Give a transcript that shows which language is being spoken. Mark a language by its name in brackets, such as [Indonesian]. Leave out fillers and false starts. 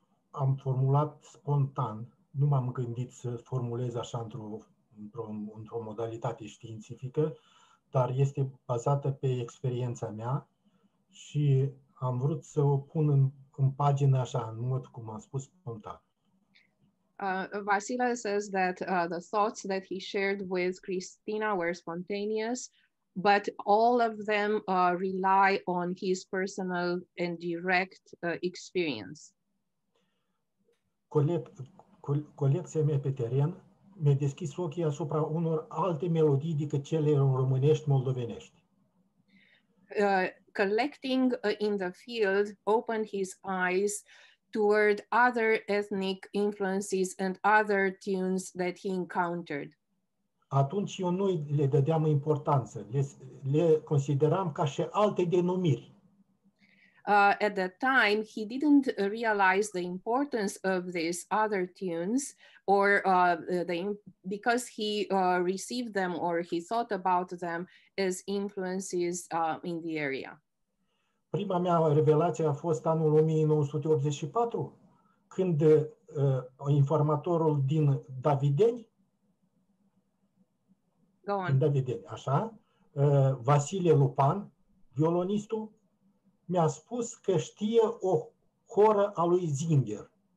[Romanian] Am formulat spontan, nu m-am gândit să formulez așa într-o modalitate științifică, dar este bazată pe experiența mea și am vrut să o pun în pagină așa, în mod, cum am spus, spontan. [English] Vasile says that the thoughts that he shared with Christina were spontaneous, but all of them rely on his personal and direct experience. [Romanian] Colecția mea pe teren mi-a deschis ochii asupra unor alte melodii decât cele românești, moldovenești. [English] Collecting in the field opened his eyes toward other ethnic influences and other tunes that he encountered. [Romanian] Atunci eu nu le dădeam importanță, le consideram ca și alte denumiri. [English] At that time, he didn't realize the importance of these other tunes, or because he received them or he thought about them as influences in the area. [Romanian] Prima mea revelație a fost anul 1984, când informatorul din Davideni, [English] Go on. [Romanian] Din Davideni, așa, Vasile Lupan, violonistul, mi-a spus că știe o horă a lui Zinger.